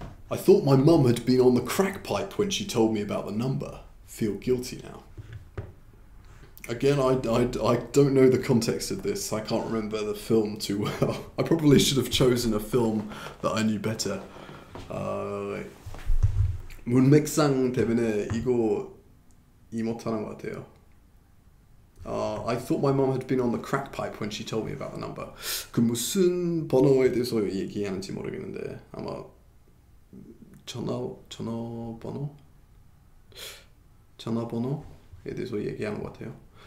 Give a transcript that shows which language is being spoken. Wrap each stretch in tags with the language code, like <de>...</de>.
<en>'I thought my mum had been on the crack pipe when she told me about the number. Feel guilty now. Again, I don't know the context of this. I can't remember the film too well. I probably should have chosen a film that I knew better.</en> <ko>문맥상 때문에 이거 이 못하는 것 같아요.</ko> <en>I thought my mum had been on the crack pipe when she told me about the number.</en> <ko>그 무슨 번호에 대해서 얘기하는지 모르겠는데 아마 전화번호에 대해서 얘기하는 것 같아요.</ko>